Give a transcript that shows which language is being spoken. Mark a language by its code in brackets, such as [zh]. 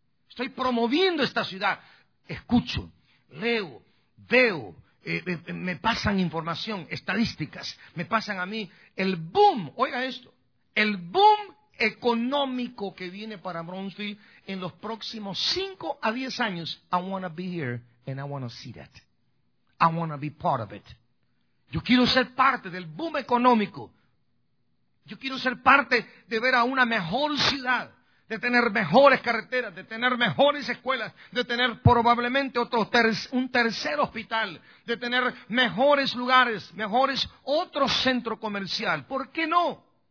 [es] Estoy promoviendo esta ciudad. Escucho, leo, veo, me pasan información, estadísticas, me pasan a mí. El boom, oiga esto, el boom económico que viene para Brownsville en los próximos 5 a 10 años. [en] I want to be here and I want to see that. I want to be part of it. [es] Yo quiero ser parte del boom económico. Yo quiero ser parte de ver a una mejor ciudad, de tener mejores carreteras, de tener mejores escuelas, de tener probablemente un tercer hospital, de tener mejores lugares, mejores otro centro comercial. ¿Por qué no?